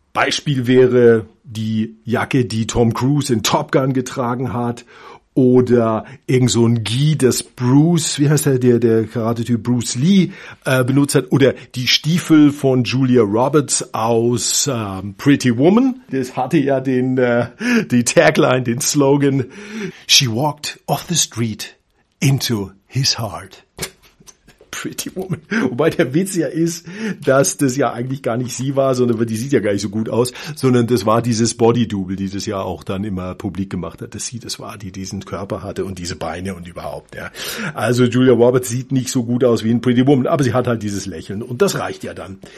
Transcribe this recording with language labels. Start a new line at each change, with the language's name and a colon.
German: Beispiel wäre die Jacke, die Tom Cruise in Top Gun getragen hat, oder irgend so ein Gi, das Bruce, wie heißt der Karate-Typ Bruce Lee benutzt hat, oder die Stiefel von Julia Roberts aus Pretty Woman. Das hatte ja die Tagline, den Slogan:
English: She walked off the street into his heart.
German: Pretty Woman. Wobei der Witz ja ist, dass das ja eigentlich gar nicht sie war, sondern die sieht ja gar nicht so gut aus, sondern das war dieses Body-Double, die das ja auch dann immer publik gemacht hat, dass sie das war, die diesen Körper hatte und diese Beine und überhaupt, ja. Also Julia Roberts sieht nicht so gut aus wie ein Pretty Woman, aber sie hat halt dieses Lächeln und das reicht ja dann.